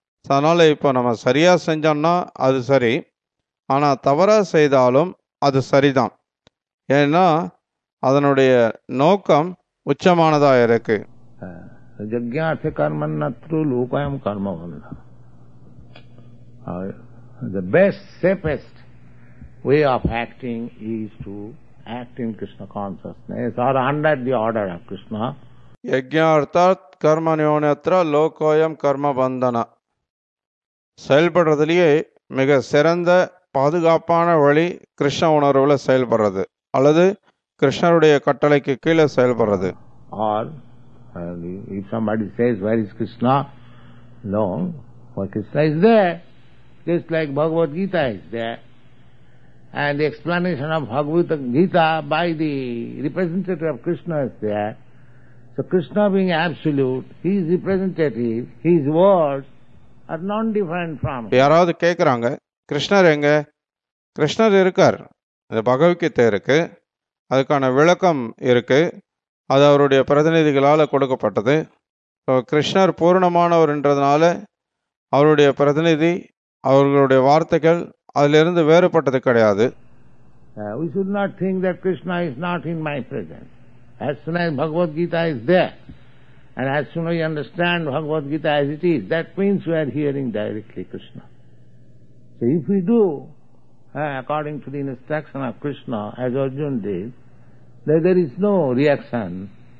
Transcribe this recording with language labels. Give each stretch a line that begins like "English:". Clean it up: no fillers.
Tamil: அதனால் இப்போ நம்ம சரியாக செஞ்சோம்னா அது சரி, ஆனால் தவறாக செய்தாலும் அது சரிதான், ஏன்னா அதனுடைய நோக்கம் உச்சமானதாக இருக்கு.
Sanskrit: யஜ்ஞார்த்த கர்மன்னத்ரு லூகாயம் கர்மபந்த.
English: The best, safest way of acting is to act in Krishna consciousness or under the order of Krishna.
Sanskrit: யஜ்ஞார்த்தாத் கர்ம நியோனியத்திர லோகோயம் கர்ம பந்தன.
Tamil: செயல்படுறதுலேயே மிக சிறந்த பாதுகாப்பான வழி கிருஷ்ண உணர்வில் செயல்படுறது அல்லது கிருஷ்ணருடைய கட்டளைக்கு கீழே செயல்படுறது.
English: Or if somebody says where is Krishna, no where Krishna is there, just like Bhagavad Gita is there, and explanation of Bhagavad Gita by the representative of Krishna is there. So Krishna being absolute, he is representative, his words are non-different from him.
Tamil: யாராவது கேட்குறாங்க கிருஷ்ணர் எங்க, கிருஷ்ணர் இருக்கார், இந்த பகவத்கீதை இருக்கு, அதுக்கான விளக்கம் இருக்கு, அது அவருடைய பிரதிநிதிகளால் கொடுக்கப்பட்டது. இப்போ கிருஷ்ணர் பூர்ணமானவர்ன்றதுனால அவருடைய பிரதிநிதி அவர்களுடைய வார்த்தைகள் அதிலிருந்து வேறுபட்டது கிடையாது.
English: We should not think that Krishna is not in my presence. As soon as Bhagavad Gita is there, and as soon as you understand Bhagavad Gita as it is, that means we are hearing directly Krishna. So if we do, according to the instruction of Krishna, as Arjuna did, then there is no reaction.